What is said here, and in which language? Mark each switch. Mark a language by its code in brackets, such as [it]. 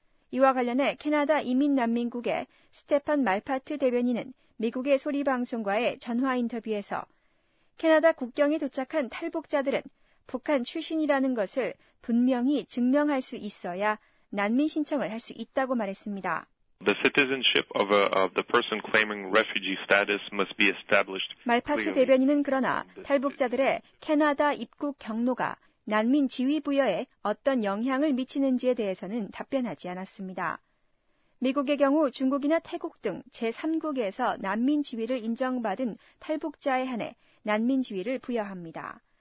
[ko] 이와 관련해 캐나다 이민 난민국의 스테판 말파트 대변인은 미국의 소리 방송과의 전화 인터뷰에서 캐나다 국경에 도착한 탈북자들은 북한 출신이라는 것을 분명히 증명할 수 있어야 난민 신청을 할 수 있다고 말했습니다. [en] The citizenship of the person claiming refugee status must be established. [ko] 말파트 대변인은 그러나 탈북자들의 캐나다 입국 경로가 난민 지위 부여에 어떤 영향을 미치는지에 대해서는 답변하지 않았습니다. 미국의 경우 중국이나 태국 등 제3국에서 난민 지위를 인정받은 탈북자에 한해 난민 지위를 부여합니다.